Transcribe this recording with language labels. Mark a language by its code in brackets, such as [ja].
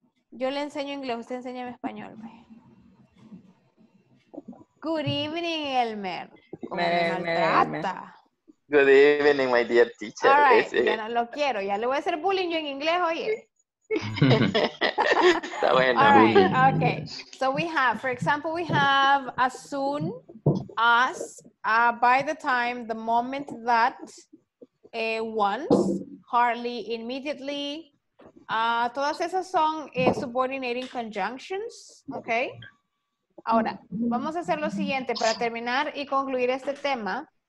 [es] Yo le enseño inglés, usted enseña mi español, ¿ve? [en] Good evening, Elmer. Good evening, my dear teacher. [es] All right, ya no lo quiero. Ya le voy a hacer bullying yo en inglés, oye. Está bueno. [en] All right, okay. So we have, for example, we have as soon as, by the time, the moment that, once, hardly, immediately. [es] Todas esas son subordinating conjunctions, okay? Ahora, vamos a hacer lo siguiente para terminar y concluir este tema.